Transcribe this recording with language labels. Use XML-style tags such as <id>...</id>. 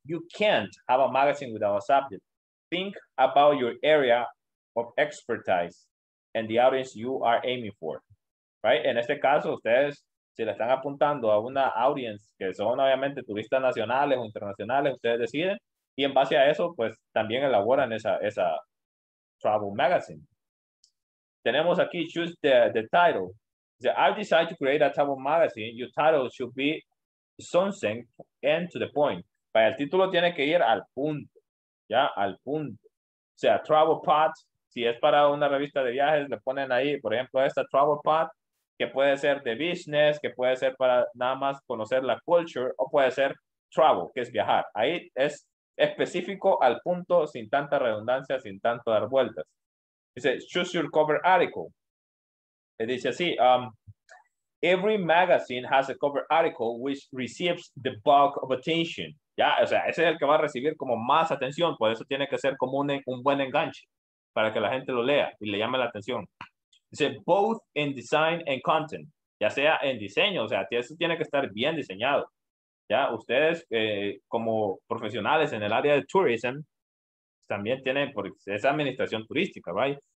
<en>You can't have a magazine without a subject. Think about your area of expertise and the audience you are aiming for, right?</en> <es>En este caso, ustedes, si le están apuntando a una audience que son obviamente turistas nacionales o internacionales, ustedes deciden, y en base a eso, pues también elaboran esa travel magazine. Tenemos aquí,</es> <en>choose the title. So, I've decided to create a travel magazine. Your title should be something and to the point.</en> <es>Pero el título tiene que ir al punto, ya, al punto. O sea, Travel Pod, si es para una revista de viajes, le ponen ahí, por ejemplo, esta Travel Pod, que puede ser de business, que puede ser para nada más conocer la culture, o puede ser travel, que es viajar. Ahí es específico al punto, sin tanta redundancia, sin tanto dar vueltas.</es> <en>Dice, choose your cover article.</en> <es>Dice así,</es> <en>Every magazine has a cover article which receives the bulk of attention.</en> <es>Ya, o sea, ese es el que va a recibir como más atención. Por eso tiene que ser como un buen enganche para que la gente lo lea y le llame la atención. Dice,</es> <en>both in design and content.</en> <es>Ya sea en diseño, o sea, eso tiene que estar bien diseñado. Ya, ustedes como profesionales en el área de tourism, también tienen, porque es administración turística, right?</es>